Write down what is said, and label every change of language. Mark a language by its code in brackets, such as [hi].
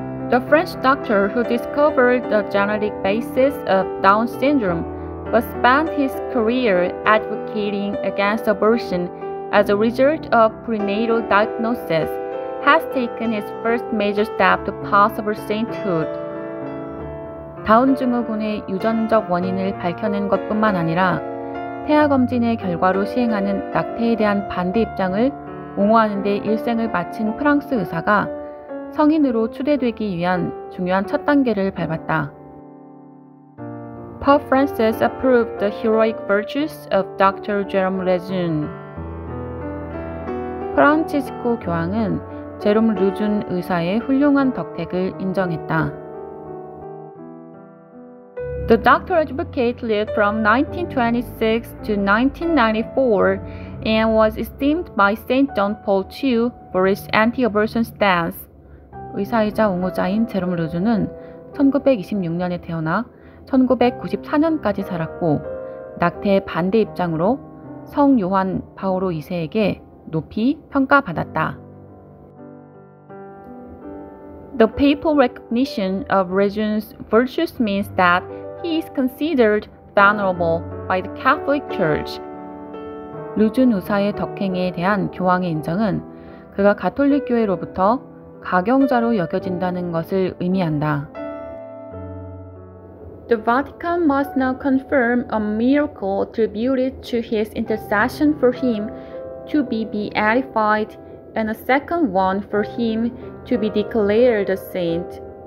[en] The French doctor who discovered the genetic basis of Down syndrome but spent his career advocating against abortion as a result of prenatal diagnosis has taken his first major step to possible sainthood. [ko] 다운 증후군의 유전적 원인을 밝혀낸 것뿐만 아니라 태아 검진의 결과로 시행하는 낙태에 대한 반대 입장을 옹호하는 데 일생을 바친 프랑스 의사가 성인으로 추대되기 위한 중요한 첫 단계를 밟았다. [en] Pope Francis approved the heroic virtues of Dr. Jerome Lejeune. [ko] 프란치스코 교황은 제롬 루준 의사의 훌륭한 덕택을 인정했다. [en] The doctor advocate lived from 1926 to 1994 and was esteemed by St. John Paul II for his anti-abortion stance. [ko] 의사이자 옹호자인 제롬 루준은 1926년에 태어나 1994년까지 살았고 낙태의 반대 입장으로 성 요한 바오로 2세에게 높이 평가받았다. [en] The papal recognition of Lejeune's virtues means that he is considered venerable by the Catholic Church. [ko] 루준 의사의 덕행에 대한 교황의 인정은 그가 가톨릭 교회로부터 가경자로 여겨진다는 것을 의미한다. [en] The Vatican must now confirm a miracle attributed to his intercession for him to be beatified and a second one for him to be declared a saint.